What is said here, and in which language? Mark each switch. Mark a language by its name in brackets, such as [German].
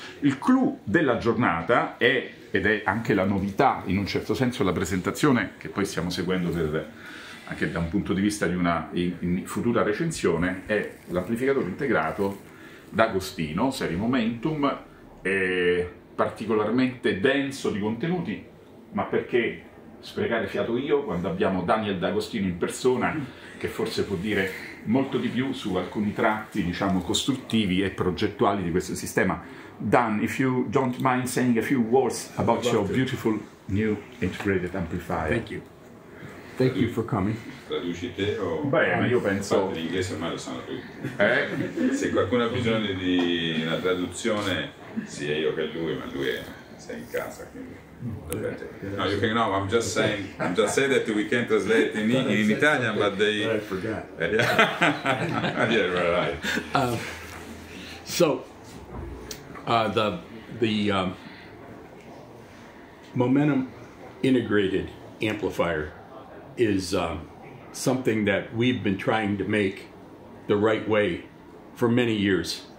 [Italian] Il clou della giornata è, ed è anche la novità, in un certo senso, la presentazione, che poi stiamo seguendo per, anche da un punto di vista di una in futura recensione, è l'amplificatore integrato d'Agostino, serie Momentum, è particolarmente denso di contenuti, ma perché sprecare fiato io quando abbiamo Daniel D'Agostino in persona, che forse può dire molto di più su alcuni tratti, diciamo, costruttivi e progettuali di questo sistema. [English] Dan, if you don't mind saying a few words about your beautiful new integrated amplifier. Thank you. Thank you for coming. [Italian] Traduci te o... Beh, ma io penso... L'inglese ormai lo sanno qui. Se qualcuno ha bisogno di una traduzione, sia io che lui, ma lui è... sei in casa, quindi... [English] No, you can, no, I'm just saying that we can't translate in Italian, but they... But I forgot. Yeah, right. So the Momentum integrated amplifier is something that we've been trying to make the right way for many years.